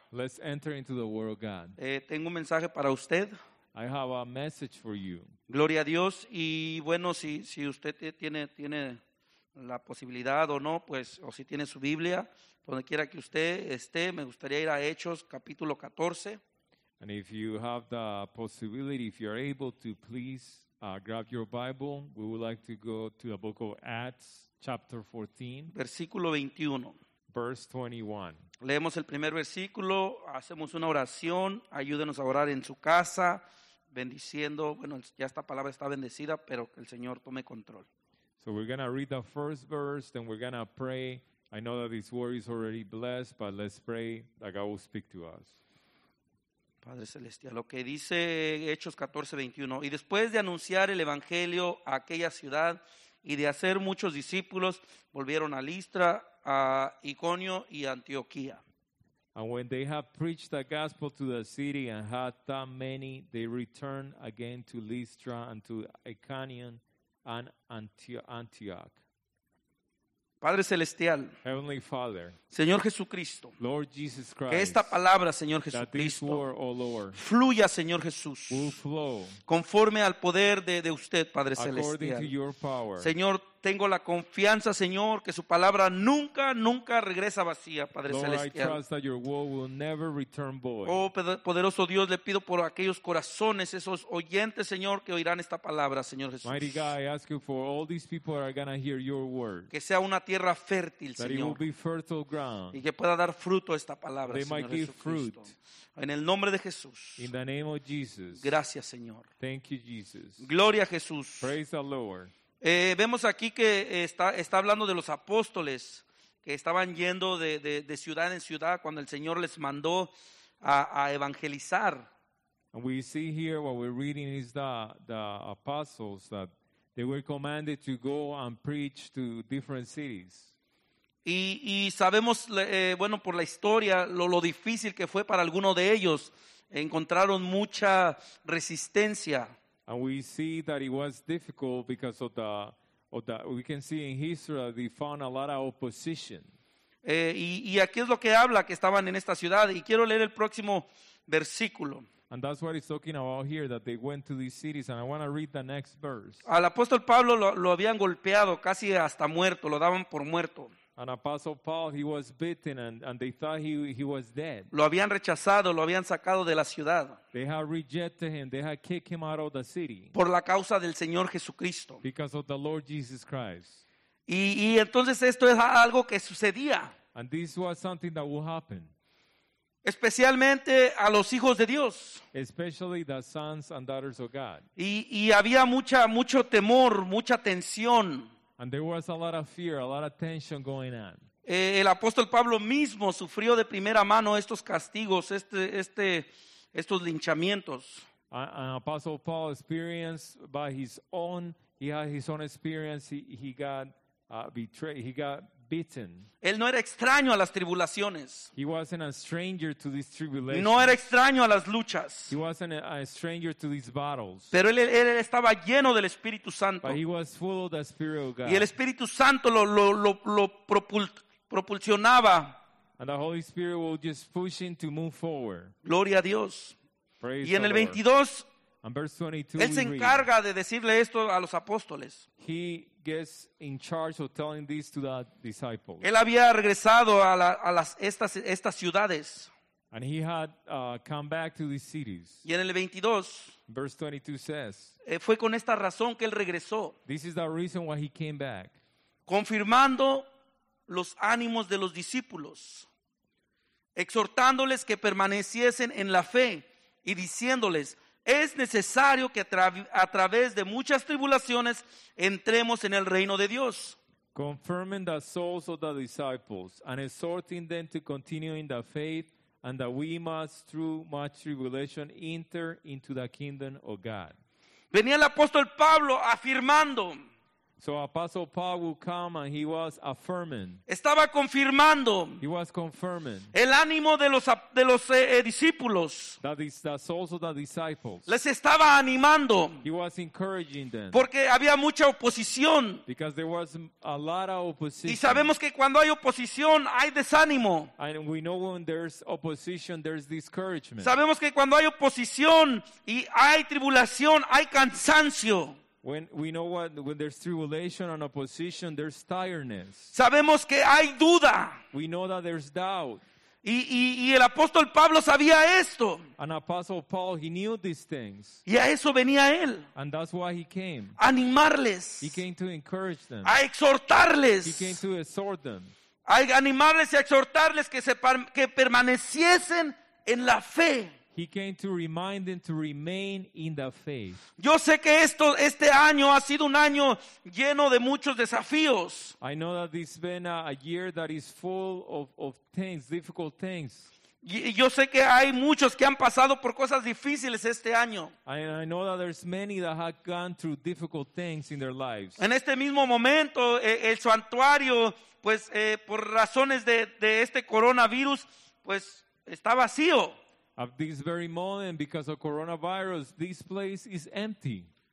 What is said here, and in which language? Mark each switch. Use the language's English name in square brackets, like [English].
[English] Let's enter into the word of God. [Spanish] Tengo un mensaje para usted. [English] I have a message for you. [Spanish] Gloria a Dios. Y bueno, si usted tiene la posibilidad o no, pues, o si tiene su Biblia, donde quiera que usted esté, me gustaría ir a Hechos, capítulo 14. [English] And if you have the possibility, if you're able to, please grab your Bible. We would like to go to the book of Acts, chapter 14. [Spanish] Versículo 21. [English] Verse 21. [Spanish] Leemos el primer versículo, hacemos una oración, ayúdenos a orar en su casa, bendiciendo, bueno, ya esta palabra está bendecida, pero que el Señor tome control. [English] So we're going to read the first verse, then we're going to pray. I know that this word is already blessed, but let's pray that God will speak to us. [Spanish] Padre Celestial, lo que dice Hechos 14:21, y después de anunciar el Evangelio a aquella ciudad y de hacer muchos discípulos, volvieron a Listra, a Iconio y Antioquía. [English] And when they had preached the gospel to the city and had that many, they returned again to Listra and to Iconium and Antioch. [Spanish] Padre Celestial, [English] Heavenly Father, [Spanish] Señor Jesucristo, [English] Lord Jesus Christ, [Spanish] que esta palabra, Señor Jesucristo, [English] word, oh Lord, [Spanish] fluya, Señor Jesús, [English] will flow, [Spanish] conforme al poder de usted, Padre Celestial. [English] To your power. [Spanish] Señor, tengo la confianza, Señor, que su palabra nunca, nunca regresa vacía, Padre [English] Lord, [Spanish] Celestial. [English] I trust that your word will never return void. [Spanish] Oh, poderoso Dios, le pido por aquellos corazones, esos oyentes, Señor, que oirán esta palabra, Señor Jesús. [English] Mighty God, I ask you for all these people that are going to hear your word. [Spanish] Que sea una tierra fértil, [English] that [Spanish] Señor. [English] It will be fertile ground. [Spanish] Y que pueda dar fruto esta palabra, [English] they [Spanish] Señor [English] might give fruit. [Spanish] En el nombre de Jesús. [English] In the name of Jesus. [Spanish] Gracias, Señor. [English] Thank you, Jesus. [Spanish] Gloria a Jesús. [English] Praise the Lord. [Spanish] Vemos aquí que está hablando de los apóstoles que estaban yendo de ciudad en ciudad cuando el Señor les mandó a evangelizar. [English] And we see here what we're reading is the apostles that they were commanded to go and preach to different cities. [Spanish] Y sabemos, bueno, por la historia, lo difícil que fue para alguno de ellos. Encontraron mucha resistencia. [English] And we see that it was difficult because we can see in history that they found a lot of opposition. [Spanish] Y aquí es lo que habla, que estaban en esta ciudad. Y quiero leer el próximo versículo. [English] And that's what it's talking about here, that they went to these cities. And I want to read the next verse. [Spanish] Al apóstol Pablo lo habían golpeado casi hasta muerto, lo daban por muerto. [English] And Apostle Paul, he was beaten and they thought he was dead. [Spanish] Lo habían rechazado, lo habían sacado de la ciudad. [English] They had rejected him, they had kicked him out of the city. [Spanish] Por la causa del Señor Jesucristo. [English] Because of the Lord Jesus Christ. [Spanish] Y entonces esto es algo que sucedía. [English] And this was something that would happen. [Spanish] Especialmente a los hijos de Dios. [English] Especially the sons and daughters of God. [Spanish] Y había mucho temor, mucha tensión. [English] And there was a lot of fear, a lot of tension going on. [Spanish] El apóstol Pablo mismo sufrió de primera mano estos castigos, estos linchamientos. [English] And Apostle Paul experienced by his own, he had his own experience, he got betrayed, he got beaten. [Spanish] Él no era extraño a las tribulaciones. [English] He wasn't a stranger to these tribulations. [Spanish] No era extraño a las luchas. [English] He wasn't a stranger to these battles. [Spanish] Pero él estaba lleno del Espíritu Santo. [English] But he was full of the Spirit of God. [Spanish] Y el Espíritu Santo lo propulsionaba. [English] And the Holy Spirit will just push him to move forward. [Spanish] Gloria a Dios. [English] Praise [Spanish] y en el 22, [English] and verse 22, [Spanish] él se encarga de decirle esto a los apóstoles. [English] He gets in charge of telling this to the disciples. [Spanish] Él había regresado a estas ciudades. [English] And he had come back to these cities. [Spanish] Y en el 22, [English] verse 22 says, [Spanish] fue con esta razón que él regresó. [English] This is the reason why he came back. [Spanish] Confirmando los ánimos de los discípulos, exhortándoles que permaneciesen en la fe y diciéndoles, es necesario que a través de muchas tribulaciones entremos en el reino de Dios. [English] confirming the souls of the disciples and exhorting them to continue in the faith, and that we must through much tribulation enter into the kingdom of God. [Spanish] Venía el apóstol Pablo afirmando. [English] So Apostle Paul would come and he was affirming. [Spanish] Estaba confirmando. [English] He was confirming. [Spanish] El ánimo de los discípulos. [English] That is the souls of the disciples. [Spanish] Les estaba animando. [English] He was encouraging them. [Spanish] Porque había mucha oposición. [English] Because there was a lot of opposition. [Spanish] Y sabemos que cuando hay oposición hay desánimo. [English] And we know when there's opposition there's discouragement. [Spanish] Sabemos que cuando hay oposición y hay tribulación hay cansancio. [English] When there's tribulation and opposition, there's tiredness. [Spanish] Sabemos que hay duda. [English] We know that there's doubt. [Spanish] Y el apóstol Pablo sabía esto. [English] And Apostle Paul, he knew these things. [Spanish] Y a eso venía él. [English] And that's why he came. [Spanish] Animarles. [English] He came to encourage them. [Spanish] A exhortarles. [English] He came to exhort them. [Spanish] A animarles y exhortarles que permaneciesen en la fe. [English] He came to remind them to remain in the faith. [Spanish] Yo sé que este año ha sido un año lleno de muchos desafíos. [English] I know that this has been a year that is full of things, difficult things. [Spanish] Yo sé que hay muchos que han pasado por cosas difíciles este año. [English] I know that there's many that have gone through difficult things in their lives. [Spanish] En este mismo momento, el santuario, pues, por razones de este coronavirus, pues, está vacío. [English] At this very moment, because of coronavirus, this place is empty.